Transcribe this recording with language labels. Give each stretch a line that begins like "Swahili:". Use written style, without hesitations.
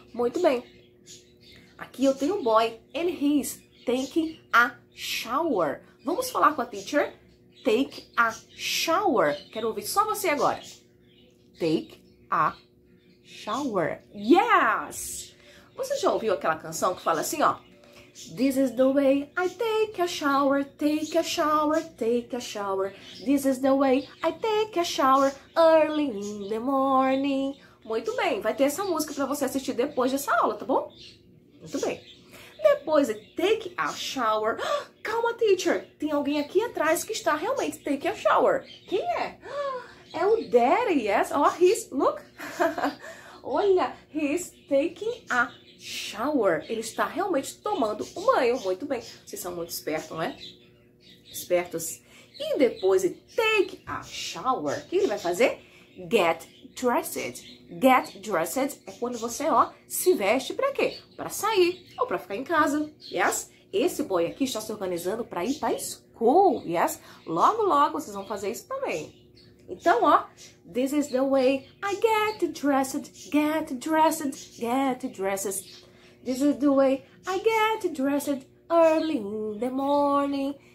Portuguese: Muito bem. Aqui eu tenho um boy,
English: and he's taking a shower.
Portuguese: Vamos falar com a teacher?
English: Take a shower.
Portuguese: Quero ouvir só você agora.
English: Take a shower. Yes!
Portuguese: Você já ouviu aquela canção que fala assim, ó?
English: This is the way I take a shower, take a shower, take a shower. This is the way I take a shower early in the morning.
Portuguese: Muito bem, vai ter essa música para você assistir depois dessa aula, tá bom? Muito bem. Depois,
English: take a shower.
Portuguese: Calma,
English: teacher.
Portuguese: Tem alguém aqui atrás que está realmente
English: take a shower.
Portuguese: Quem é? É o
English: daddy, yes? Oh, he's, look.
Portuguese: Olha,
English: he's taking a shower.
Portuguese: Ele está realmente tomando um banho. Muito bem. Vocês são muito espertos, não é? Espertos. E depois,
English: take a shower.
Portuguese: O que ele vai fazer?
English: Get dressed. Get dressed
Portuguese: é quando você, ó, se veste pra quê? Pra sair ou pra ficar em casa, yes? Esse boy aqui está se organizando pra ir pra school, yes? Logo, logo vocês vão fazer isso também. Então, ó,
English: this is the way I get dressed, get dressed, get dressed. This is the way I get dressed early in the morning.